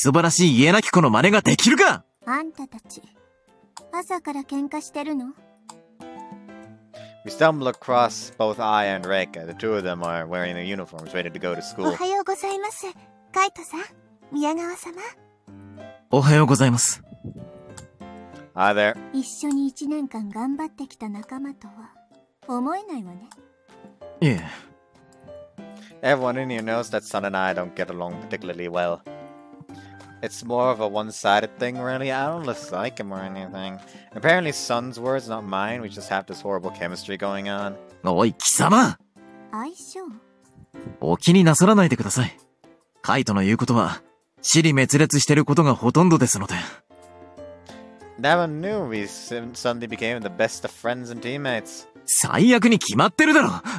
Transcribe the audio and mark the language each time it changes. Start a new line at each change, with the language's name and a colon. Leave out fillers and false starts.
Japanese: 名門である宮川家の僕に、みそばらしい家なき子の真似ができるか? あんたたち、朝から喧嘩してるの?
English: We stumble across both I and Reika. The two of them are wearing their uniforms, ready to go to school.
Japanese: おはようございます、カイト様、宮川様。おはようございます。
English: Hi there.
Japanese: 一緒に一年間頑張ってきた仲間とは思えないわね。
English: Yeah. Everyone in here knows that Sun and I don't get along particularly well. It's more of a one-sided thing, really. I don't dislike him or anything. Apparently Sun's words, not mine. We just have this horrible chemistry going on.
Japanese: おい、貴様。相性。お気になさらないでください。カイトの言うことは。尻滅裂してることがほとんどですので。
English: Never knew we suddenly became the best of friends and teammates.
Japanese: 最悪に決まってるだろ!